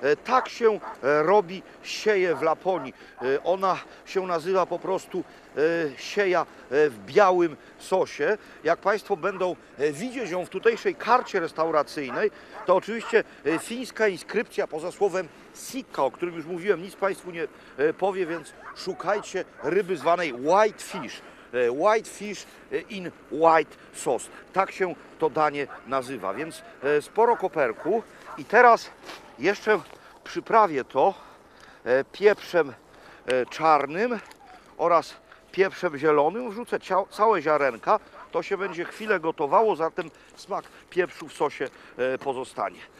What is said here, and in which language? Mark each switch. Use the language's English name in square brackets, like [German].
[Polish] Tak się robi sieje w Laponii. Ona się nazywa po prostu sieja w białym sosie. Jak Państwo będą widzieć ją w tutejszej karcie restauracyjnej, to oczywiście fińska inskrypcja poza słowem sikka, o którym już mówiłem, nic Państwu nie powie, więc szukajcie ryby zwanej whitefish. [English] White fish in white sauce. [Polish] Tak się to danie nazywa. Więc sporo koperku. I teraz jeszcze przyprawię to pieprzem czarnym oraz pieprzem zielonym. Wrzucę całe ziarenka. To się będzie chwilę gotowało, zatem smak pieprzu w sosie pozostanie.